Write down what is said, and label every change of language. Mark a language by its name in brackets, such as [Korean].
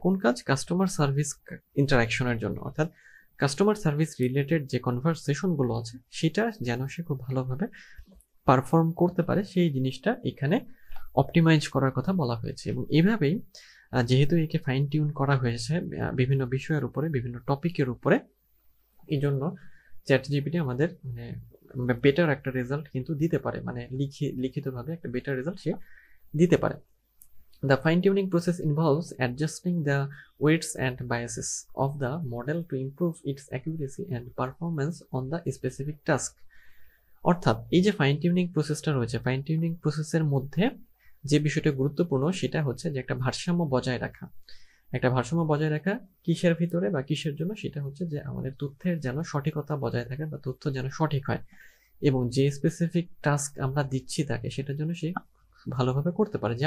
[Bangla] কোন কাজ, customer service ইন্টারাকশনের জন্য, অর্থাৎ কাস্টমার সার্ভিস রিলেটেড যে কনভারসেশনগুলো আছে সেটা যেন সে খুব ভালোভাবে পারফর্ম করতে পারে, সেই জিনিসটা এখানে অপটিমাইজ করার কথা বলা হয়েছে। এবং এভাবেই যেহেতু একে ফাইন টিউন করা হয়েছে বিভিন্ন বিষয়ের উপরে, বিভিন্ন টপিকের উপরে, এই জন্য চ্যাট জিপিটি আমাদের মানে বেটার একটা রেজাল্ট কিন্তু দিতে পারে, মানে লিখিতভাবে একটা বেটার রেজাল্ট সে দিতে পারে। [English] The fine-tuning process involves adjusting the weights and biases of the model to improve its accuracy and performance on the specific task. [Bangla] অর্থাৎ এই যে fine-tuning processটা রয়েছে, fine-tuning processের মধ্যে যে বিষয়টা গুরুত্বপূর্ণ সেটা হচ্ছে যে একটা ভারসাম্য বজায় রাখা। একটা ভারসাম্য বজায় রাখা কিসের ভিতরে বা কিসের জন্য, সেটা হচ্ছে যে আমাদের তথ্যের যেন সঠিকতা বজায় থাকে বা তথ্য যেন সঠিক হয় এবং যে স্পেসিফিক টাস্ক আমরা দিচ্ছি তাকে সেটার জন্য সে ভালোভাবে করতে পারে।